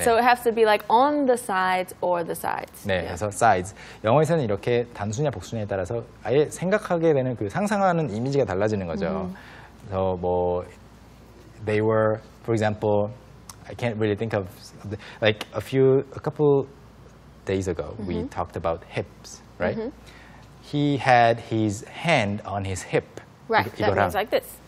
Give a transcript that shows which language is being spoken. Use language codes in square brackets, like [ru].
[en] 네. So it has to be like on the sides or the sides. [ko] 네, yeah. 그래서 sides. 영어에서는 이렇게 단수냐 복수냐에 따라서 아예 생각하게 되는 그 상상하는 이미지가 달라지는 거죠. Mm-hmm. 그래서 뭐 [en] they were, for example, I can't really think of like a couple days ago mm-hmm. we talked about hips, right? Mm-hmm. He had his hand on his hip. Right, that means like this.